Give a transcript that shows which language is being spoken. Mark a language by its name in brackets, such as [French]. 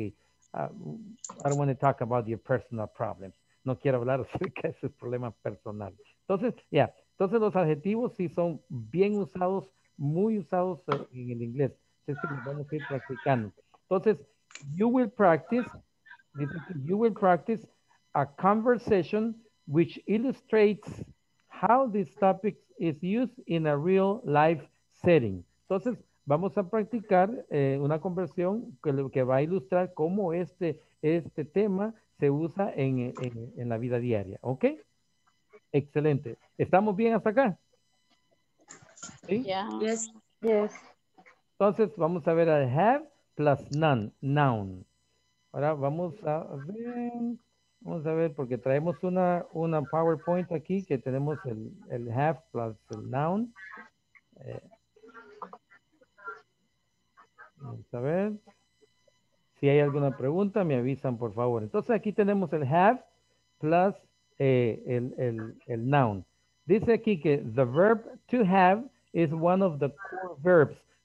[English] I don't want to talk about your personal problem. [Spanish] No quiero hablar acerca de sus problemas personales. [English] Entonces, yeah. [Spanish] Entonces, los adjetivos sí son bien usados, muy usados en el inglés. Es que vamos a ir practicando. Entonces, [English] you will practice... You will practice a conversation which illustrates how this topic is used in a real life setting. [Spanish] Entonces, vamos a practicar una conversación que va a ilustrar cómo este tema se usa en la vida diaria. ¿Ok? Excelente. ¿Estamos bien hasta acá? Sí. [English] Yeah. Yes. Yes. [Spanish] Entonces, vamos a ver al have plus none, noun. Ahora vamos a ver, porque traemos una PowerPoint aquí, que tenemos el have plus el noun. Vamos a ver. Si hay alguna pregunta, me avisan, por favor. Entonces, aquí tenemos el have plus el noun. Dice aquí que [English] the verb to have is one of the core verbs.